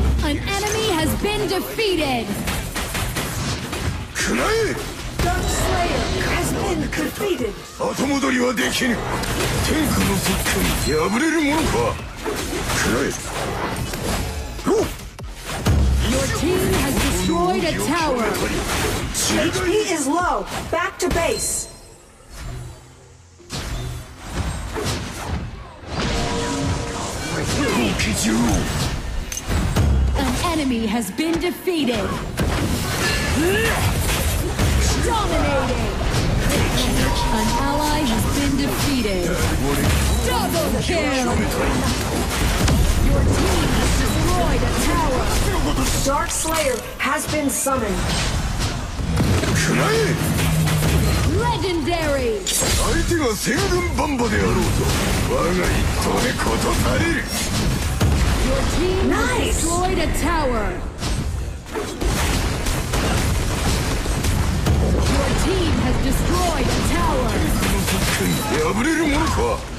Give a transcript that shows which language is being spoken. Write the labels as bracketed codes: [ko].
[en] An enemy has been defeated. Kunae! Dark Slayer has been defeated. [ja] 後戻りはできぬ。天下の側近に敗れるものか。 Kunae! [en] Your team has destroyed a tower. HP is low. Back to base. An enemy has been defeated. Dominating. An ally has been defeated. Double kill. Your team has destroyed a tower. Dark Slayer has been summoned. Legendary. [ja] 相手が千軍万馬であろうと我が一党でことなれる。 [en] Your team has destroyed a tower. Your team has destroyed a tower.